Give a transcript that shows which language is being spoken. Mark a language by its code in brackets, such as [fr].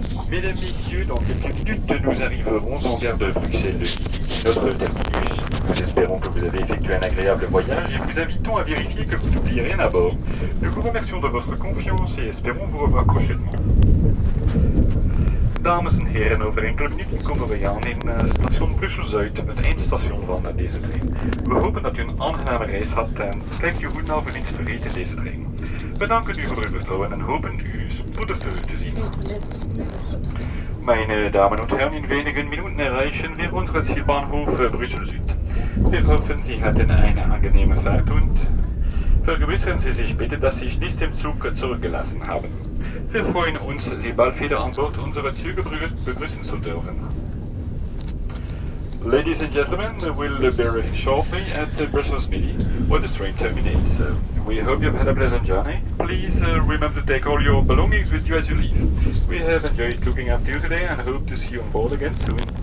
[fr] Mesdames, messieurs, dans quelques minutes, nous arriverons en gare de Bruxelles de Lille, notre terminus. Nous espérons que vous avez effectué un agréable voyage et vous invitons à vérifier que vous n'oubliez rien à bord. Nous vous remercions de votre confiance et espérons vous revoir prochainement. [nl] Dames en heren, over enkele minuten komen wij aan in station Brussel-Zuid, het eindstation van deze trein. We hopen dat u een aangename reis had en kijkt u goed na voor iets vergeten in deze trein. We danken u voor uw vertrouwen en hopen u spoedig te zien. Mijn dames en heren, [de] in wenige minuten erreichen wir unseren Zielbahnhof Brussel-Zuid. Wir hoffen, Sie hatten eine angenehme Fahrt und vergewissern Sie sich bitte, dass Sie sich nicht im Zug zurückgelassen haben. Wir freuen uns, Sie bald wieder an Bord unserer Züge begrüßen zu dürfen. [en] Ladies and gentlemen, we'll be shortly at Brussels Midi, where the train terminates. We hope you've had a pleasant journey. Please remember to take all your belongings with you as you leave. We have enjoyed looking after you today and hope to see you on board again soon.